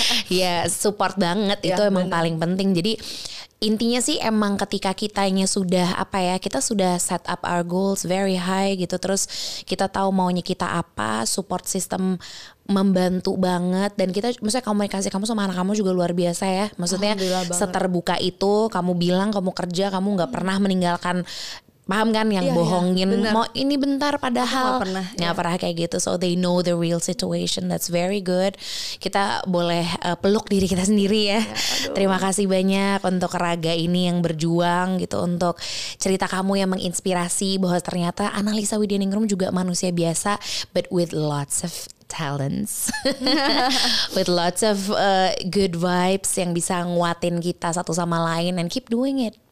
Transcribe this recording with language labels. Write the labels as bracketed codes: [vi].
[id] Ya support banget ya, itu emang paling penting. Jadi intinya sih emang ketika kitanya sudah apa ya, kita sudah [en] set up our goals very high [id] gitu, terus kita tahu maunya kita apa, support system membantu banget. Dan kita, maksudnya komunikasi kamu sama anak kamu juga luar biasa ya. Maksudnya seterbuka itu, kamu bilang kamu kerja, kamu gak pernah meninggalkan. Paham kan yang bohongin mau ini bentar padahal nggak pernah kayak gitu. [en] So they know the real situation, that's very good. [id] Kita boleh peluk diri kita sendiri ya. Terima kasih banyak untuk Raga ini yang berjuang gitu, untuk cerita kamu yang menginspirasi bahwa ternyata Analisa Widyaningrum juga manusia biasa [en] but with lots of talents. With lots of good vibes [id] yang bisa nguatin kita satu sama lain, [en] and keep doing it.